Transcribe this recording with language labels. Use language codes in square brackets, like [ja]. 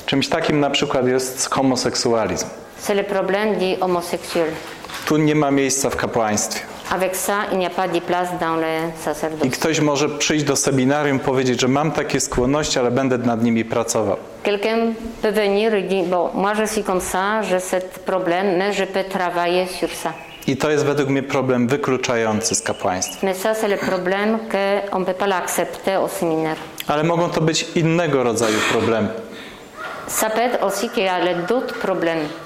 [pl] Czymś takim na przykład jest homoseksualizm. [fr] C'est le problème des homosexuels. [pl] Tu nie ma miejsca w kapłaństwie. [fr] Avec ça, il n'y a pas de place dans le sacerdoce. [pl] I ktoś może przyjść do seminarium, powiedzieć, że mam takie skłonności, ale będę nad nimi pracował. [fr] Quelqu'un peut venir et dire, bon, moi je suis comme ça, j'ai ce problème, mais je peux travailler sur ça. [pl] I to jest według mnie problem wykluczający z kapłaństwa. [fr] Mais ça, c'est le problème que on peut pas l'accepter au séminaire. [pl] Ale mogą to być innego rodzaju problemy. [fr] Ça peut être aussi qu'il y a d'autres problèmes.